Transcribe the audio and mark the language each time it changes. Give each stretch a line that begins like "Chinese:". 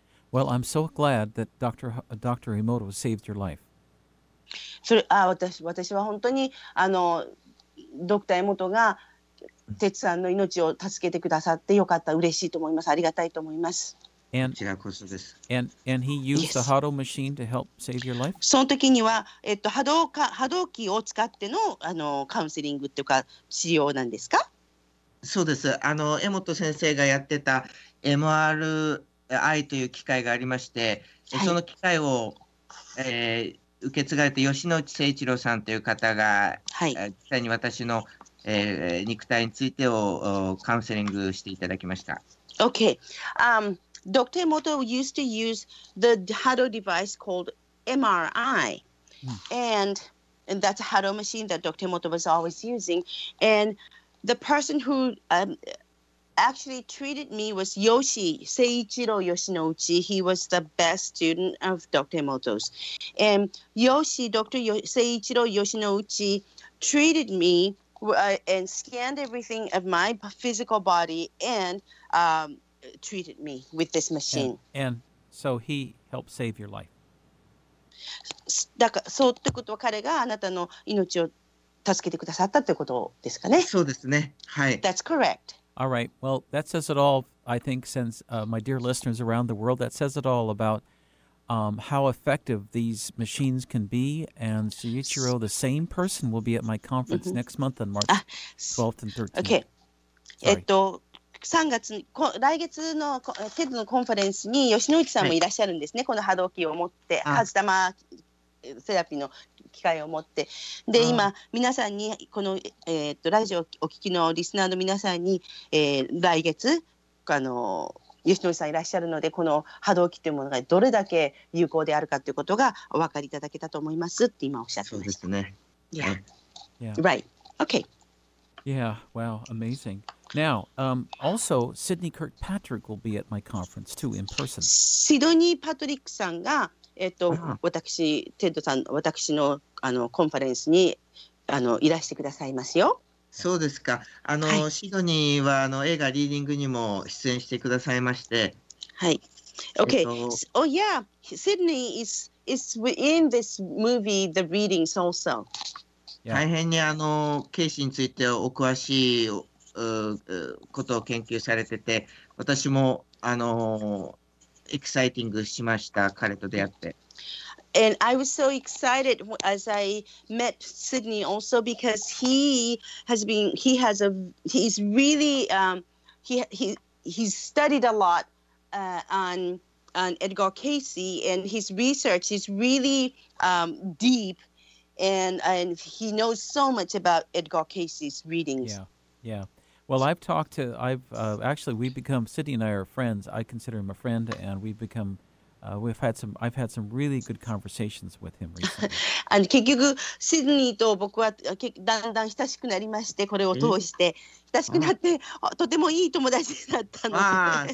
English: Well, I'm so glad that Dr. Emoto saved your life.
Japanese: それ、私は本当にドクターエモトが鉄さんの命を助けてくださってよかった、嬉しいと思います、ありがたいと思います。こちらこそです。
English: And he used the Haro machine to help save your life?
Japanese: その時には、波動機を使って のカウンセリングというか治療なんですか？そうです。江本先生がやってた MRI という機械がありまして、はい、その機械を、受け継がれて吉野内誠一郎さんという方が、はい、実際に私の肉体についてをカウンセリングしていただきました。
English: Okay. Dr. Moto used to use the Haro device called MRI. And that's a Haro machine that Dr. Moto was always using. And the person who actually treated me was Yoshi, Seiichiro Yoshinouchi. He was the best student of Dr. Moto's. And Seiichiro Yoshinouchi treated me and scanned everything of my physical body and treated me with this machine. And so he helped save your life.
Japanese: だからそうってことは彼があなたの命を助けてくださったってことですかね。そうですね。はい。
English: That's correct. All right. Well, that says it all, I think, since my dear listeners around the world, that says it all about how effective these machines can be. And Seiichiro, the same person, will be at my conference next month on March 12th and 13th. Okay.
Japanese: 3月、来月のテッドのコンファレンスに吉野内さんもいらっしゃるんですね。はい、この波動機を持って、ハズタマセラピーの機会を持って。で、今、皆さんに、この、ラジオをお聞きのリスナーの皆さんに、来月、吉野さんいらっしゃるのでこの波動機というものがどれだけ有効であるかということがお分かりいただけたと思いますって今おっしゃってました。そうですね。
English: Yeah. Right. Okay. Yeah. Wow. Amazing. Now, also, Sidney Kirkpatrick will be at my conference too in person.
Japanese: シドニー・パトリックさんが、私、テッドさん、私の、コンファレンスに、いらしてくださいますよ。そうですか。はい、シドニーは映画リーディングにも出演してくださいまして。
English: はい。Okay. Oh yeah. Sydney is in this movie, The Readings also.
Japanese: 大変にケーシーについてお詳しいことを研究されてて、私もエキサイティングしました。彼と出会って。
English: And I was so excited as I met Sydney also because he's studied a lot on Edgar Casey and his research is really deep and he knows so much about Edgar Casey's readings. Yeah. Well, we've become, Sydney and I are friends. I consider him a friend and we've become I've had some really good conversations with him recently.
Japanese: 結局シドニーと僕はだんだん親しくなりまして、これを通して親しくなって、とてもいい友達になったので。